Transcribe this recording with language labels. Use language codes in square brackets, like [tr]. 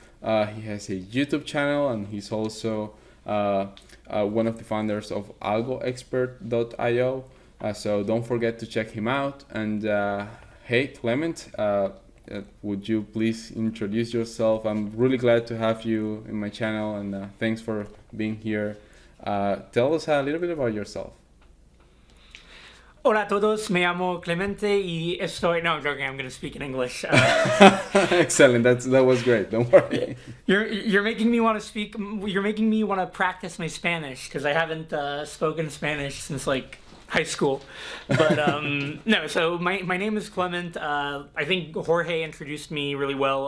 [en] He has a YouTube channel and he's also one of the founders of algoexpert.io. So don't forget to check him out. And hey, Clement, would you please introduce yourself? I'm really glad to have you in my channel and thanks for being here. Tell us a little bit about yourself. [es] Hola a todos, me llamo Clemente y estoy. [en] No, I'm joking, I'm gonna speak in English. Excellent. That was great. Don't worry. You're making me want to speak. You're making me want to practice my Spanish because I haven't spoken Spanish since like high school. But no, so my name is Clement. I think Jorge introduced me really well.